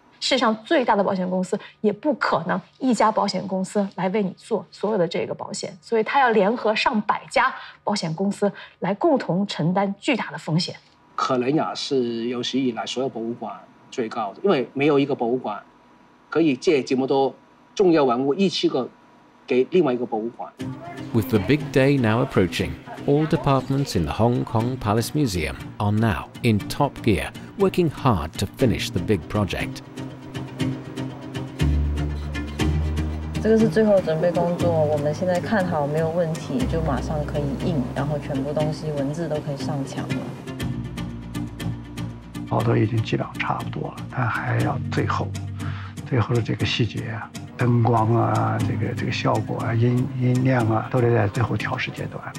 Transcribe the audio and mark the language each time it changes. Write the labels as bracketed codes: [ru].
[zh] 世上最大的保险公司也不可能一家保险公司来为你做所有的这个保险，所以他要联合上百家保险公司来共同承担巨大的风险。可能也是有史以来所有博物馆最高的，因为没有一个博物馆可以借这么多重要文物一起个给另外一个博物馆。 [en] With the big day now approaching, all departments in the Hong Kong Palace Museum are now in top gear, working hard to finish the big project. [zh] 这个是最后准备工作，我们现在看好没有问题，就马上可以印，然后全部东西文字都可以上墙了。包都已经基本上差不多了，但还要最后的这个细节啊，灯光啊，这个效果啊，音量啊，都得在最后调试阶段。